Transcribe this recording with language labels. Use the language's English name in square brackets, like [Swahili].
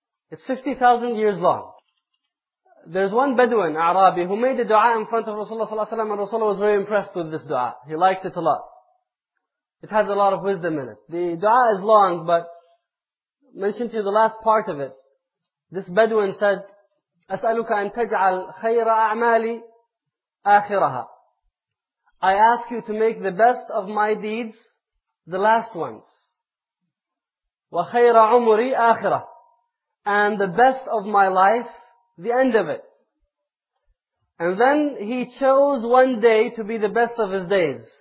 [English] It's 50,000 years long. There's one Bedouin, Arabi, who made a dua in front of Rasulullah ﷺ, and Rasulullah was very impressed with this dua. He liked it a lot. It has a lot of wisdom in it. The dua is long, but mentioned to you the last part of it. This Bedouin said, [Arabic] أسألك أن تجعل خير أعمالي آخرها. [English] I ask you to make the best of my deeds the last ones. [Arabic] وخير عمري آخرة. [English] And the best of my life, the end of it. And then he chose one day to be the best of his days.